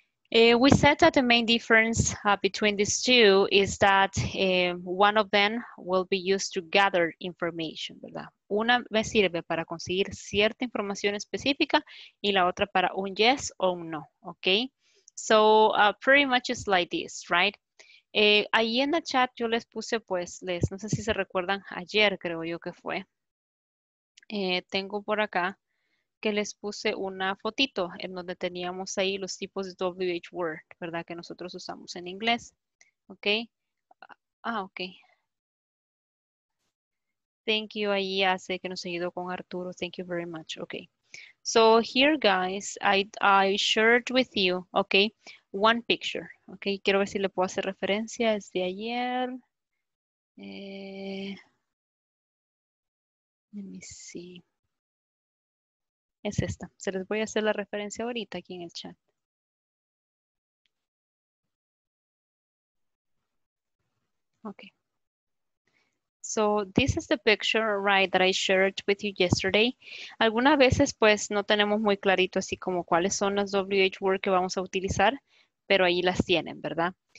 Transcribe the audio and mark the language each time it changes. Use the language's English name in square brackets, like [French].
[English] We said that the main difference between these two is that one of them will be used to gather information, ¿verdad? [Spanish] Una me sirve para conseguir cierta información específica y la otra para un yes o un no, ¿ok? [English] So, pretty much it's like this, right? [Spanish] Ahí en el chat yo les puse, pues, les, no sé si se recuerdan, ayer creo yo que fue. Tengo por acá que les puse una fotito en donde teníamos ahí los tipos de WH word, ¿verdad? Que nosotros usamos en inglés, ¿ok? Ah, ok. Thank you, ahí hace que nos ayudó con Arturo. [English] Thank you very much, [Spanish] ok. [English] So here, guys, I shared with you, okay, one picture. [Spanish] Okay, quiero ver si le puedo hacer referencia. Es de ayer. [English] Let me see. [Spanish] Es esta. Se les voy a hacer la referencia ahorita aquí en el chat. [English] Okay. So this is the picture, right, that I shared with you yesterday. [Spanish] Algunas veces, pues, no tenemos muy clarito así como cuáles son las WH words que vamos a utilizar, pero ahí las tienen, ¿verdad?